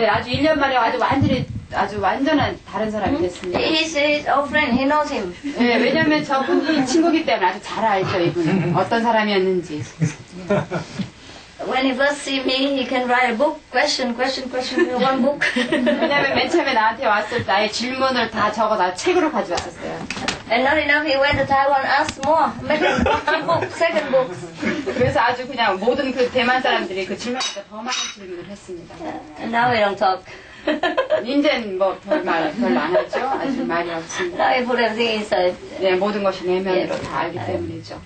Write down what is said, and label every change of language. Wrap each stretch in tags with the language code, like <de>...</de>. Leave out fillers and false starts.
<ko>예, 아주 1년 만에 아주 완전히 아주 완전한 다른 사람이 됐습니다.</ko> <en>He says, "Oh, friend, he knows him."</en> <ko>예, 왜냐면 저 분이 친구기 때문에 아주 잘 알죠 이분은 어떤 사람이었는지.</ko> <en>When he first see me, he can write a book. Question. One book.</en> <ko>왜냐면 맨 처음에 나한테 왔을 때 아예 질문을 다 적어 나 책으로 가져왔었어요.</ko> <en>And not enough, he went to Taiwan, asked more, make a book, second book.</en> <ko>그래서 아주 그냥 모든 그 대만 사람들이 그 질문보다 더 많은 질문을 했습니다.</ko> <en>And now we don't talk.</en> <ko>이제는 뭐 별로 안 하죠. 아직 말이 없습니다.</ko> <en>Now he put everything inside.</en> <ko>네, 모든 것이 내면으로 다 알기 때문이죠.</ko>